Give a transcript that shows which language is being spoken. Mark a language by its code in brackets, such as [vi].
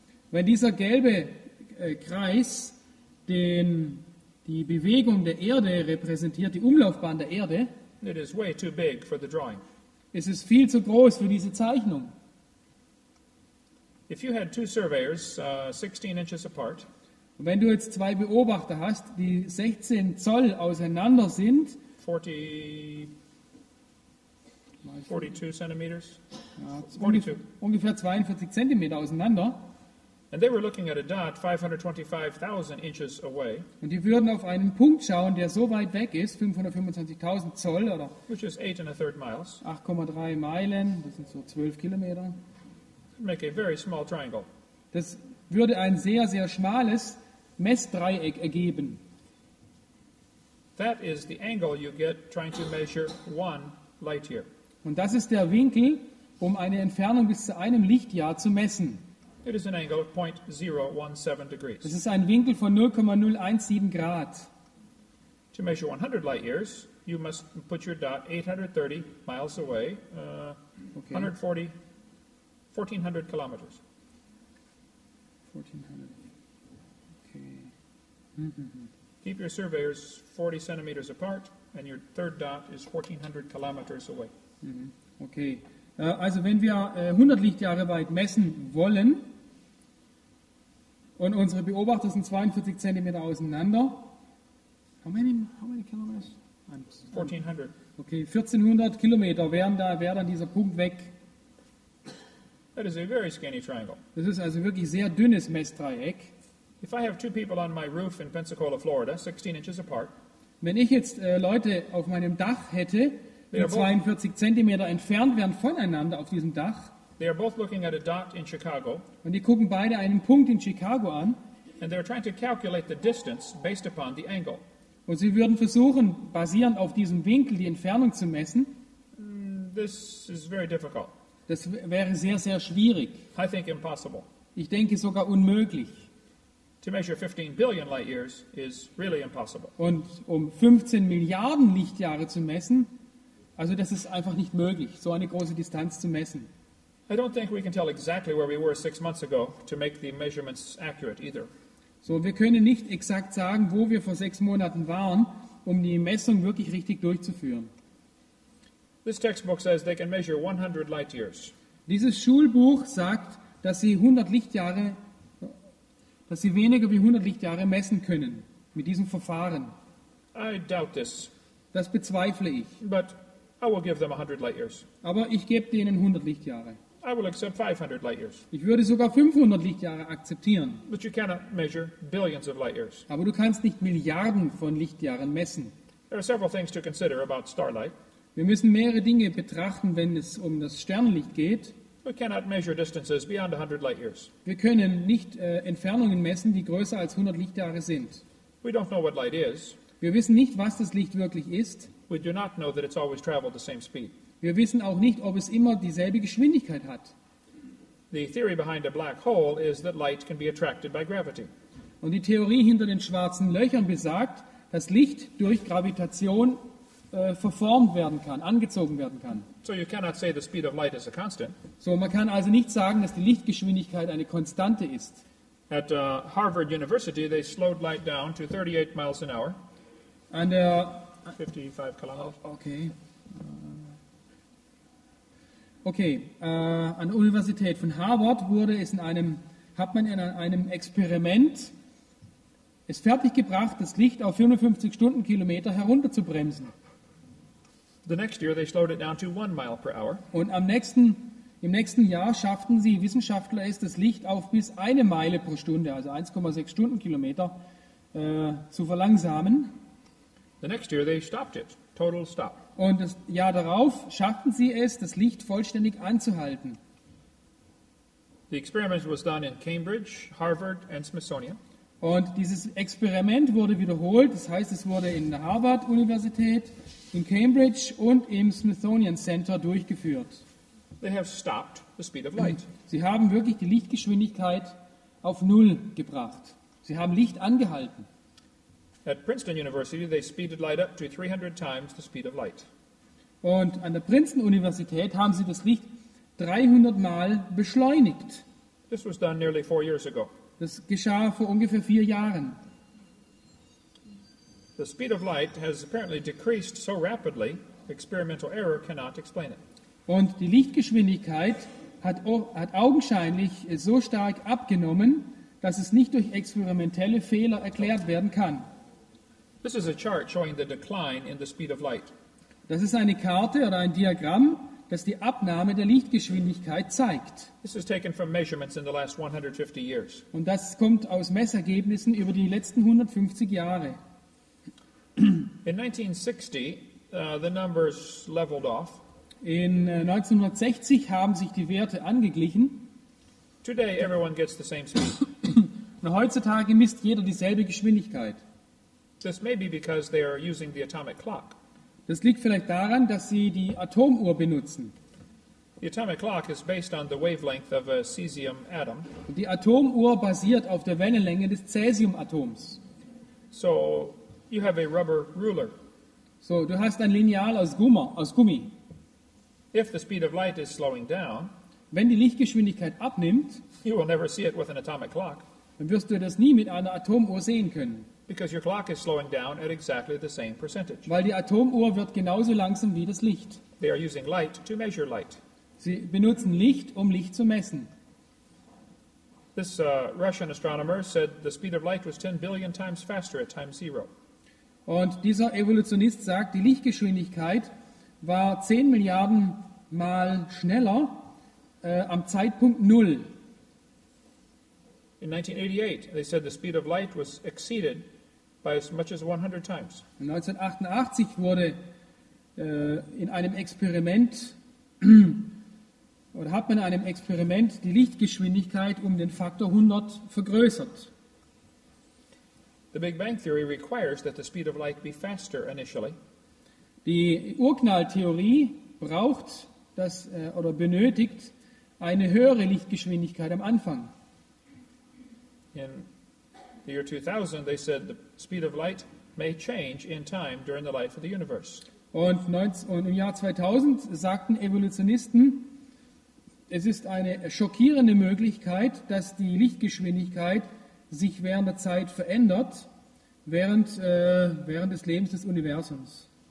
[de] wenn dieser gelbe Kreis den die Bewegung der Erde repräsentiert, die Umlaufbahn der Erde, [en] it is way too big for the drawing. [de] Es ist viel zu groß für diese Zeichnung. [en] If you had two surveyors, 16 inches apart, [de] und wenn du jetzt zwei Beobachter hast, die 16 Zoll auseinander sind, 42 Zentimeter auseinander, [en] and they were looking at a dot 525,000 inches away. [de] Und die würden auf einen Punkt schauen, der so weit weg ist, 525,000 Zoll oder [en] which is 8.3 miles. [de] 8,3 Meilen, das sind so 12 Kilometer. [en] Make a very small triangle. [de] Das würde ein sehr sehr schmales Messdreieck ergeben. [en] That is the angle you get trying to measure one light year. [de] Und das ist der Winkel, um eine Entfernung bis zu einem Lichtjahr zu messen. [en] It is an angle of 0.017 degrees. [de] Es ist ein Winkel von 0,017 Grad. [en] To measure 100 light years, you must put your dot 830 miles away, 1400 kilometers. 1400. Okay. Keep your surveyors 40 centimeters apart and your third dot is 1400 kilometers away. Okay. [de] Also wenn wir 100 Lichtjahre weit messen wollen, und unsere Beobachter sind 42 cm auseinander. [en] How many kilometers? 1400. [de] Okay, 1400 Kilometer wäre dann dieser Punkt weg. [en] That is a very skinny triangle. [de] Das ist also wirklich sehr dünnes Messdreieck. [en] If I have two people on my roof in Pensacola, Florida, 16 inches apart. [de] Wenn ich jetzt Leute auf meinem Dach hätte, die 42 cm entfernt wären voneinander auf diesem Dach. [en] They are both looking at a dot in Chicago. [de] Und die gucken beide einen Punkt in Chicago an. [en] And they are trying to calculate the distance based upon the angle. [de] Und sie würden versuchen, basierend auf diesem Winkel die Entfernung zu messen. [en] This is very difficult. [de] Das wäre sehr sehr schwierig. [en] I think impossible. [de] Ich denke sogar unmöglich. [en] To measure 15 billion light years is really impossible. [de] Und um 15 Milliarden Lichtjahre zu messen, also das ist einfach nicht möglich, so eine große Distanz zu messen. [en] I don't think we can tell exactly where we were 6 months ago to make the measurements accurate either. [de] So, wir können nicht exakt sagen, wo wir vor 6 Monaten waren, um die Messung wirklich richtig durchzuführen. [en] This textbook says they can measure 100 light years. [de] Dieses Schulbuch sagt, dass sie weniger wie 100 Lichtjahre messen können mit diesem Verfahren. [en] I doubt this. [de] Das bezweifle ich. [en] But I will give them 100 light years. [de] Aber ich gebe denen 100 Lichtjahre. [en] I will accept 500 light years. [de] Ich würde sogar 500 Lichtjahre akzeptieren. [en] But you cannot measure billions of light years. [de] Aber du kannst nicht Milliarden von Lichtjahren messen. [en] There are several things to consider about starlight. [de] Wir müssen mehrere Dinge betrachten, wenn es um das Sternenlicht geht. [en] We cannot measure distances beyond 100 light years. [de] Wir können nicht Entfernungen messen, die größer als 100 Lichtjahre sind. [en] We don't know what light is. [de] Wir wissen nicht, was das Licht wirklich ist. [en] We do not know that it's always traveled the same speed. [de] Wir wissen auch nicht, ob es immer dieselbe Geschwindigkeit hat. [en] The theory behind a black hole is that light can be attracted by gravity. [de] Und die Theorie hinter den schwarzen Löchern besagt, dass Licht durch Gravitation verformt werden kann, angezogen werden kann. [en] So you cannot say the speed of light is a constant. [de] So man kann also nicht sagen, dass die Lichtgeschwindigkeit eine Konstante ist. [en] At Harvard University they slowed light down to 38 miles an hour. And 55 kilometers. [de] Okay, an der Universität von Harvard hat man in einem Experiment es fertiggebracht, das Licht auf 55 Stundenkilometer herunterzubremsen. [en] The next year they slowed it down to 1 mile per hour. [de] Und im nächsten Jahr schafften sie Wissenschaftler es, das Licht auf bis 1 Meile pro Stunde, also 1,6 Stundenkilometer, zu verlangsamen. [en] The next year they stopped it. Total stop. [de] Und das Jahr darauf schafften sie es, das Licht vollständig anzuhalten. [en] The experiment was done in Cambridge, Harvard and Smithsonian. [de] Und dieses Experiment wurde wiederholt, das heißt, es wurde in der Harvard Universität, in Cambridge und im Smithsonian Center durchgeführt. [en] They have stopped the speed of light. [de] Sie haben wirklich die Lichtgeschwindigkeit auf Null gebracht. Sie haben Licht angehalten. [en] At Princeton University, they speeded light up to 300 times the speed of light. [de] Und an der Princeton Universität haben sie das Licht 300 Mal beschleunigt. [en] This was done nearly 4 years ago. [de] Das geschah vor ungefähr 4 Jahren. [en] The speed of light has apparently decreased so rapidly, experimental error cannot explain it. [de] Und die Lichtgeschwindigkeit hat augenscheinlich so stark abgenommen, dass es nicht durch experimentelle Fehler erklärt werden kann. [en] This is a chart showing the decline in the speed of light. [de] Das ist eine Karte oder ein Diagramm, das die Abnahme der Lichtgeschwindigkeit zeigt. [en] This is taken from measurements in the last 150 years. [de] Und das kommt aus Messergebnissen über die letzten 150 Jahre. [en] In 1960, the numbers leveled off. [de] In 1960 haben sich die Werte angeglichen. [en] Today everyone gets the same speed. [de] Und heutzutage misst jeder dieselbe Geschwindigkeit. [en] This may be because they are using the atomic clock. [de] Das liegt vielleicht daran, dass sie die Atomuhr benutzen. [en] The atomic clock is based on the wavelength of a cesium atom. [de] Die Atomuhr basiert auf der Wellenlänge des Cäsiumatoms. [en] So you have a rubber ruler. [de] So du hast ein Lineal aus Gummi. [en] If the speed of light is slowing down, [de] wenn die Lichtgeschwindigkeit abnimmt, [en] you will never see it with an atomic clock. [de] Dann wirst du das nie mit einer Atomuhr sehen können. [en] Because your clock is slowing down at exactly the same percentage. [de] Weil die Atomuhr wird genauso langsam wie das Licht. [en] They are using light to measure light. [de] Sie benutzen Licht, um Licht zu messen. [en] This Russian astronomer said the speed of light was 10 billion times faster at time zero. [de] Und dieser Evolutionist sagt, die Lichtgeschwindigkeit war 10 Milliarden Mal schneller am Zeitpunkt Null. [en] In 1988, they said the speed of light was exceeded by as much as 100 times. [de] 1988 wurde in einem Experiment oder hat man in einem Experiment die Lichtgeschwindigkeit um den Faktor 100 vergrößert. [en] The Big Bang Theory requires that the speed of light be faster initially. [de] Die Urknalltheorie braucht das oder benötigt eine höhere Lichtgeschwindigkeit am Anfang. [en] In the year 2000, they said the speed of light may change in time during the life of the universe. [de] Und im Jahr 2000 sagten Evolutionisten, es ist eine schockierende Möglichkeit, dass die Lichtgeschwindigkeit sich während der Zeit verändert, während des Lebens des Universums.